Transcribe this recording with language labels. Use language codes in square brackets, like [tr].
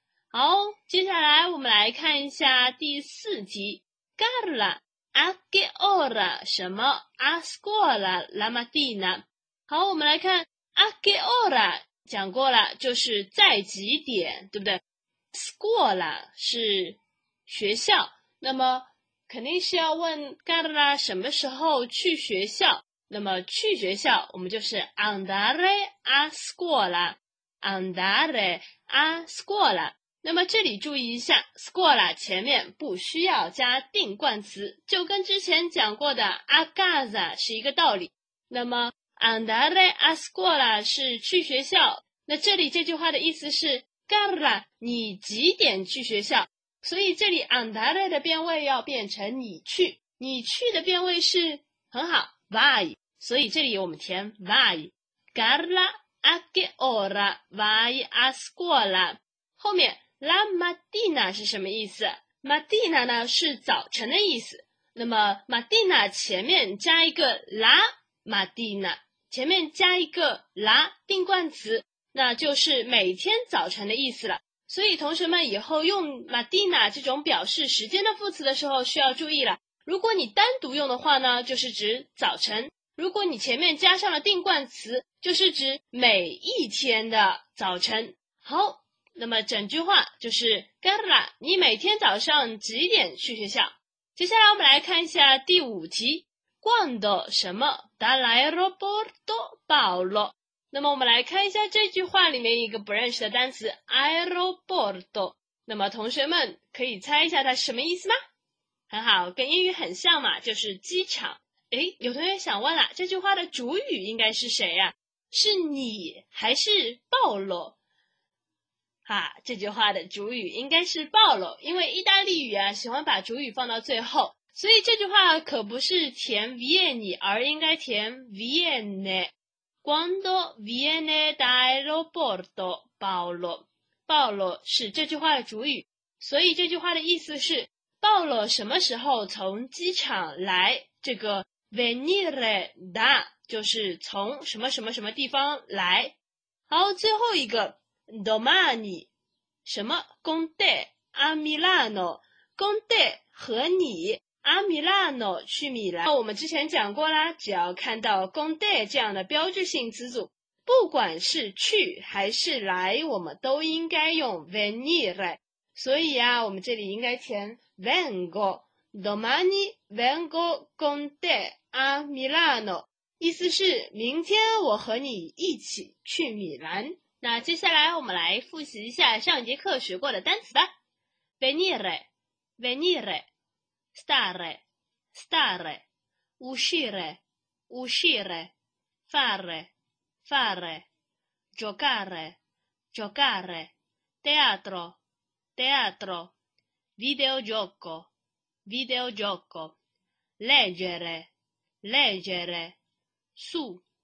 [zh] 好，接下来我们来看一下第四题。 [it] Carla, a che ora 什么 a scuola la mattina？ [zh] 好，我们来看 [it] a che ora [zh] 讲过了，就是在几点，对不对？ scuola 是学校，那么肯定是要问 Carla 什么时候去学校。那么去学校，我们就是 [it] andare a scuola， andare a scuola。 [zh] 那么这里注意一下 scuola 前面不需要加定冠词，就跟之前讲过的 [it] a casa [zh] 是一个道理。那么 andare a scuola 是去学校，那这里这句话的意思是 Carla 你几点去学校，所以这里 andare 的变位要变成你去，你去的变位是，很好， vai， 所以这里我们填 vai。 [it] Carla a che ora vai a scuola， [zh] 后面 [it] La mattina [zh] 是什么意思？ mattina 呢是早晨的意思，那么 mattina 前面加一个 [it] la mattina， [zh] 前面加一个 la 定冠词，那就是每天早晨的意思了。所以同学们以后用 mattina 这种表示时间的副词的时候需要注意了，如果你单独用的话呢，就是指早晨，如果你前面加上了定冠词，就是指每一天的早晨。好，那么整句话就是 Carla 你每天早上几点去学校。接下来我们来看一下第五题。 [it] Quando 什么 dall'aeroporto Paolo。 [zh] 那么我们来看一下这句话里面一个不认识的单词 aeroporto， 那么同学们可以猜一下它是什么意思吗？很好，跟英语很像嘛，就是机场。诶，有同学想问了，这句话的主语应该是谁啊？是你还是 Paolo？这句话的主语应该是暴露，因为意大利语啊喜欢把主语放到最后，所以这句话可不是填 Vieni， 而应该填 Viene。 [it] Quando viene d'aeroporto Paolo， [zh] Paolo 是这句话的主语，所以这句话的意思是Paolo 什么时候从机场来。这个 venire da 就是从什么什么什么地方来。好，最后一个 [it] Domani 什么 con te a Milano， con te [zh] 和你 [it] a Milano [zh] 去米兰。我们之前讲过啦，只要看到 con te 这样的标志性词组，不管是去还是来，我们都应该用 venire。所以啊，我们这里应该填 vengo， [it] domani vengo con te a Milano， [zh] 意思是明天我和你一起去米兰。那接下来我们来复习一下上一节课学过的单词吧。 [it] venire venire stare stare uscire uscire fare fare giocare giocare teatro teatro videogioco videogioco leggere leggere su